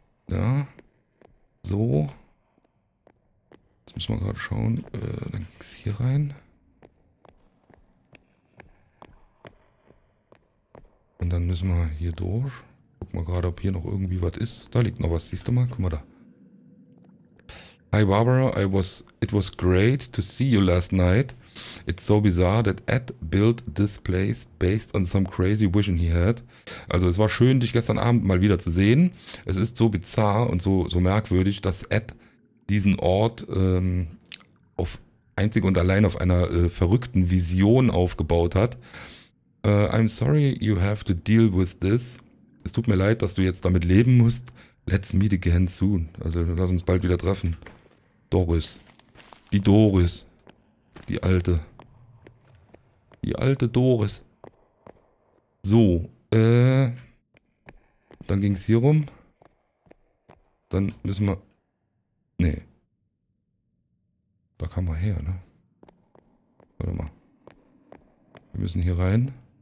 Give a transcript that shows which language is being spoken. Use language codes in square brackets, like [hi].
[de] Ja. So. Jetzt müssen wir gerade schauen. Dann ging es hier rein. Und dann müssen wir hier durch. Guck mal gerade, ob hier noch irgendwie was ist. Da liegt noch was. Siehst du mal? Guck mal da. [en] Hi Barbara, it was great to see you last night. It's so bizarre that Ed built this place based on some crazy vision he had. [de] Also es war schön, dich gestern Abend mal wieder zu sehen. Es ist so bizarr und so merkwürdig, dass Ed diesen Ort auf einzig und allein auf einer verrückten Vision aufgebaut hat. [en] I'm sorry you have to deal with this. [de] Es tut mir leid, dass du jetzt damit leben musst. [en] Let's meet again soon. [de] Also lass uns bald wieder treffen. Doris. Die Doris. Die alte. Die alte Doris. So. Dann ging es hier rum. Dann müssen wir... Nee. Da kam man her, ne? Warte mal. Wir müssen hier rein.